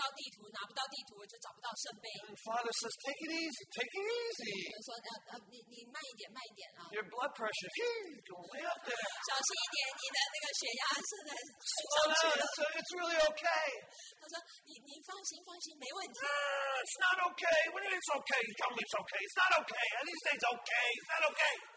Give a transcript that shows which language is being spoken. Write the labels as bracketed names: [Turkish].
[Chinese] 我抓不到这些坏人，抓不到坏人，我就拿不到地图，拿不到地图，我就找不到圣杯。 [English] And Father says, "Take it easy, take it easy." [Chinese] 他说，你慢一点，慢一点啊。 [English] Your blood pressure, hey, go way up there. [Chinese] 小心一点，你的那个血压是在上去了。 [English] It's really okay. [Chinese] 他说，你放心，没问题。 [English] It's not okay. What do you mean it's okay? You tell me it's okay. It's not okay. At least it's okay. It's not okay.